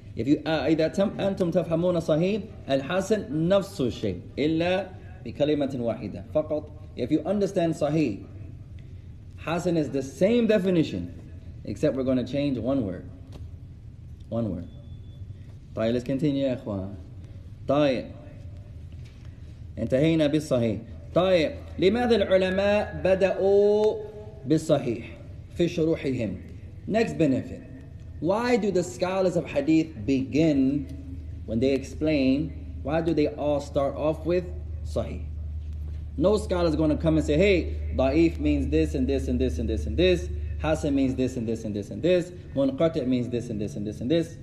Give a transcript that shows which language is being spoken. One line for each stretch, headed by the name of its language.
English: If you
Arabic: أنتم تفهمون صحيح الحسن نفس الشيء إلا بكلمة واحدة فقط.
English: If you understand صحيح, حسن is the same definition, except we're going to change one word. One word.
Arabic: طيب,
English: let's continue,
Arabic: إخوان. طيب, انتهينا بالصحيح. طيب, لماذا العلماء بدأوا بالصحيح في شروحهم؟
English: Next benefit. Why do the scholars of hadith begin when they explain? Why do they all start off with sahih? No scholar is going to come and say, hey, da'if means this and this and this and this and this. Hasan means this and this and this and this. Munqati' means this and this and this and this.